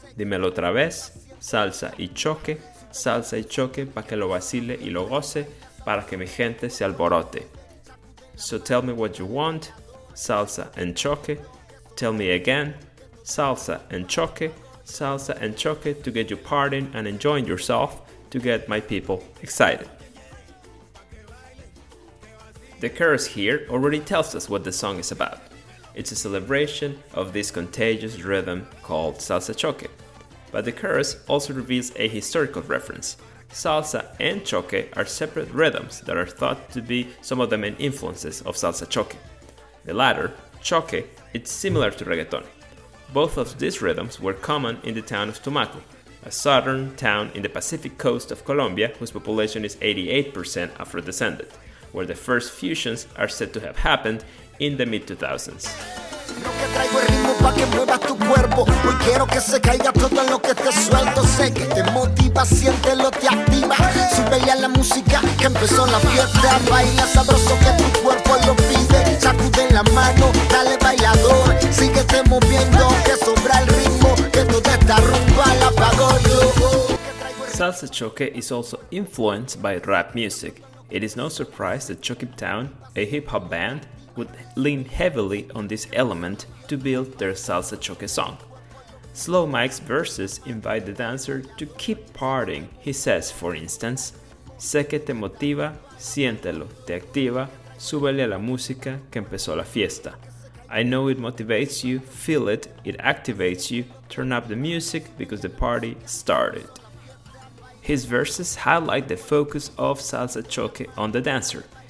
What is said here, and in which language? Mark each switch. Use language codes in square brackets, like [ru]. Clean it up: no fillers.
[es] Dímelo otra vez, salsa y choque, pa' que lo vacile y lo goce, para que mi gente se alborote." [en] So tell me what you want, salsa and choque. Tell me again, salsa and choque, to get you partying and enjoying yourself, to get my people excited. The chorus here already tells us what the song is about. It's a celebration of this contagious rhythm called Salsa Choque. But the chorus also reveals a historical reference. Salsa and choque are separate rhythms that are thought to be some of the main influences of Salsa Choque. The latter, choque, it's similar to reggaeton. Both of these rhythms were common in the town of Tumaco, a southern town in the Pacific coast of Colombia whose population is 88% Afro-descended, where the first fusions are said to have happened in the mid-2000s. [es] Traigo el ritmo pa' que muevas tu cuerpo. Hoy quiero que se caiga todo lo que te suelto. Sé que te motiva, siéntelo, te activa. Sube ya la música que empezó la fiesta. Baila sabroso que tu cuerpo lo pide. Sacude la mano, dale bailador. Síguete moviendo, que sobra el ritmo. Que toda esta rumba la pagó yo. [en] Salsa Choque is also influenced by rap music. It is no surprise that Choquip Town, a hip-hop band, would lean heavily on this element to build their Salsa Choque song. Slow Mike's verses invite the dancer to keep partying. He says, for instance, [es] Sé que te motiva, siéntelo, te activa, súbele a la música que empezó la fiesta. [en] I know it motivates you, feel it, it activates you, turn up the music because the party started. His verses highlight the focus of Salsa Choque on the dancer.